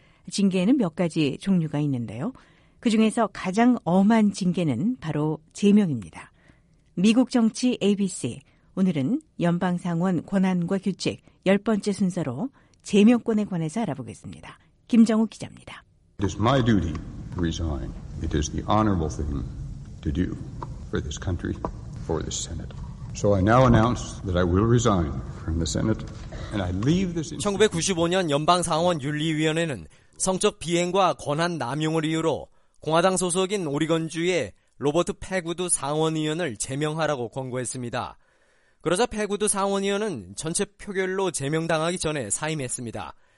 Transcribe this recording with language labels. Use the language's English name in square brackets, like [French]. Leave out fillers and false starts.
[Korean] 징계에는 몇 가지 종류가 있는데요. 그 중에서 가장 엄한 징계는 바로 제명입니다. 미국 정치 ABC, 오늘은 연방상원 권한과 규칙 열 번째 순서로 제명권에 관해서 알아보겠습니다. 김정욱 기자입니다. [English] It is my duty to resign. It is the honorable thing to do for this country, for this Senate. So I now announce that I will resign from the Senate and I leave this. [Korean] 1995년 연방상원 윤리위원회는 성적 비행과 권한 남용을 이유로 공화당 소속인 오리건주의 로버트 패구드 상원의원을 제명하라고 권고했습니다. 그러자 패구드 상원의원은 전체 표결로 제명당하기 전에 사임했습니다.